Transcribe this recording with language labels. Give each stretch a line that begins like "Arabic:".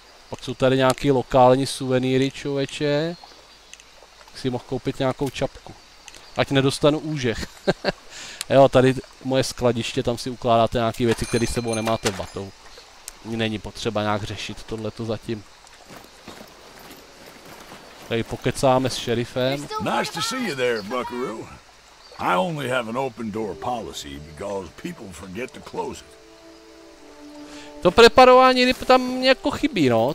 Czech: Pak jsou tady nějaký lokální suvenýry, čověče. Tak si mohl koupit nějakou čapku. Ať nedostanu úžeh. Jo, tady moje skladiště, tam si ukládáte nějaký věci, které s sebou nemáte vatou. Není potřeba nějak řešit tohleto zatím. Tady pokecáme s šerifem.
English: Nice to see you there, Buckaroo. I only have an open door policy because people forget to close it.
Czech: To preparování ryb tam jako chybí, no.